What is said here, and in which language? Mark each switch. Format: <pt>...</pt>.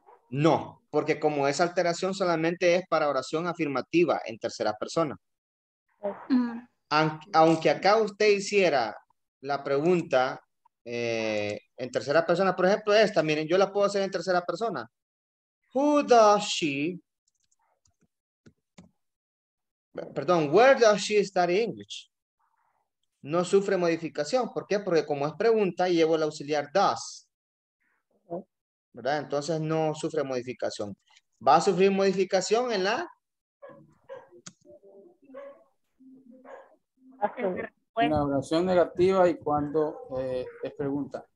<es>No, porque como esa alteración solamente es para oración afirmativa en tercera persona. Aunque acá usted hiciera la pregunta en tercera persona, por ejemplo esta, miren, yo la puedo hacer en tercera persona.</es> <en>Who does she,</en> <es>perdón,</es> <en>where does she study English?</en> <es>No sufre modificación. ¿Por qué? Porque como es pregunta, llevo el auxiliar does. ¿Verdad? Entonces no sufre modificación. Va a sufrir modificación en la... En la oración negativa y cuando es pregunta.</es>